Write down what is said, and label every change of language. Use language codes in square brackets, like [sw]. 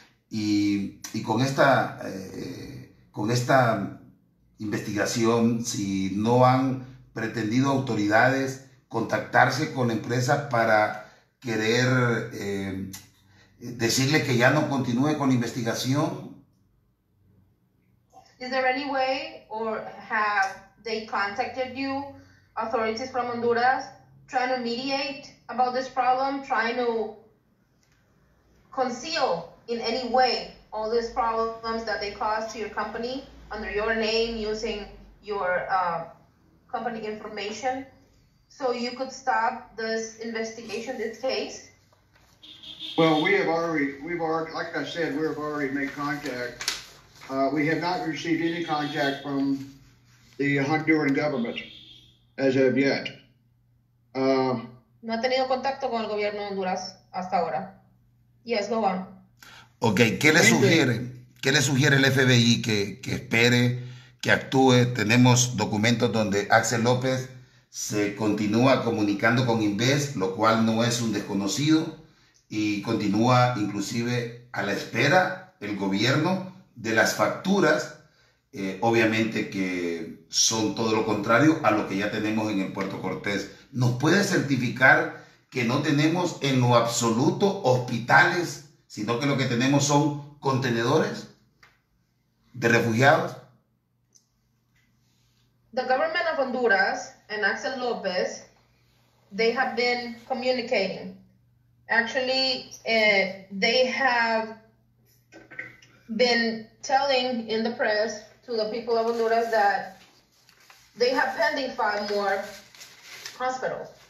[es] Y con esta investigación, si no han pretendido autoridades contactarse con la empresa para querer decirle que ya no continúe con la investigación. [en] Is there any way, or have they contacted you, authorities from Honduras, trying to mediate about this problem, trying to conceal in any way all these problems that they caused to your company under your name, using your company information, so you could stop this investigation, this case? Well, we have already, like I said, we have already made contact. We have not received any contact from the Honduran government as of yet. [es] No ha tenido contacto con el gobierno de Honduras hasta ahora. [en] Yes, go on. [es] Okay, ¿qué le sugiere? ¿Qué le sugiere el FBI que espere, que actúe? Tenemos documentos donde Axel López se continúa comunicando con Inves, lo cual no es un desconocido, y continúa inclusive a la espera el gobierno de las facturas, obviamente que son todo lo contrario a lo que ya tenemos en el Puerto Cortés. ¿Nos puede certificar que no tenemos en lo absoluto hospitales, sino que lo que tenemos son contenedores de refugiados? [en] The government of Honduras and Axel López, they have been communicating. Actually, they have been telling in the press to the people of Honduras that they have pending 5 more hospitals.